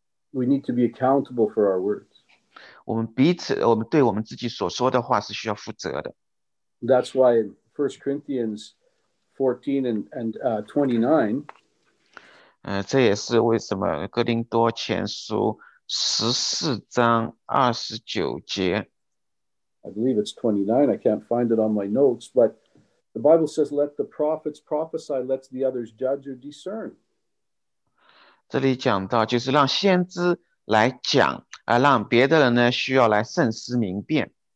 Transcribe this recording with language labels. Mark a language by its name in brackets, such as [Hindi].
[English] We need to be accountable for our words. [Chinese] 我们彼此，我们对我们自己所说的话是需要负责的。 [English] That's why in 1 Corinthians 14 and 29, [Chinese] 这也是为什么哥林多前书14章29节。 [English] I believe it's 29. I can't find it on my notes, but the Bible says, let the prophets prophesy, let the others judge or discern. [Chinese] 这里讲到就是让先知来讲，让别的人呢需要来慎思明辨。